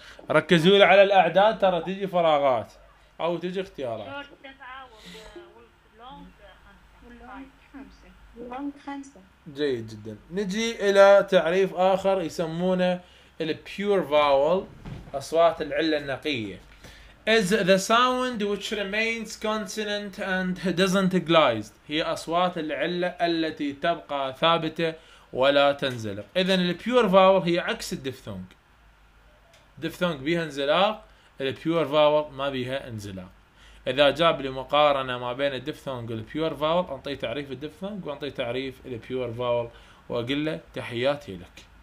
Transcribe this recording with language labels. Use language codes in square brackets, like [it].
[ar] ركزوا لي على الاعداد، ترى تجي فراغات او تجي اختيارات. شورت 7 واللونج 5. اللونج 5. جيد جدا. نجي الى تعريف اخر يسمونه البيور فاول، اصوات العله النقيه. [en] Is the sound which remains consonant and doesn't glide. [ar] هي أصوات العلة التي تبقى ثابتة ولا تنزلق. إذن الـ pure vowel هي عكس الدفثونج. ديفثونج بيها انزلاق، البيور فاول ما بيها انزلاق. اذا جاب لي مقارنه ما بين الديفثونج والبيور فاول، انطي تعريف الديفثونج وانطي تعريف البيور فاول، واقول له تحياتي لك.